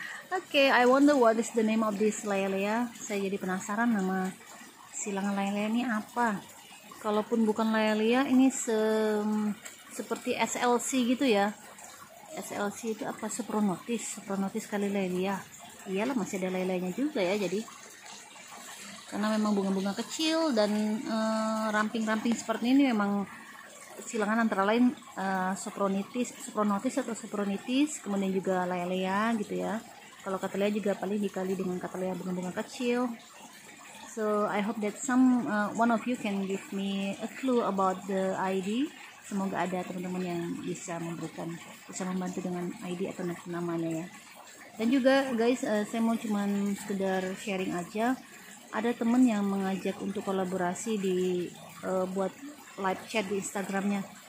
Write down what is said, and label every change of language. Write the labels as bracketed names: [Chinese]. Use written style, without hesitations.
[English] Okay, I wonder what is the name of this lilia. [Indonesian] Saya jadi penasaran nama silang lilia ini apa. Kalaupun bukan lilia, ini seperti SLC gitu ya. SLC itu apa? Supranotis. Supranotis kali lilia. Iyalah, masih ada lilianya juga ya. Jadi karena memang bunga-bunga kecil dan ramping-ramping seperti ini memang silangan antara lain supranotis atau supranotis, kemudian juga lilia gitu ya. Kalau katalia juga paling dikali dengan katalia bunga-bunga kecil. [English] So I hope that one of you can give me a clue about the ID. [Indonesian] Semoga ada teman-teman yang bisa membantu dengan ID atau namanya ya. Dan juga guys, saya mau cuman sekedar sharing aja. Ada teman yang mengajak untuk kolaborasi di buat live chat di Instagramnya.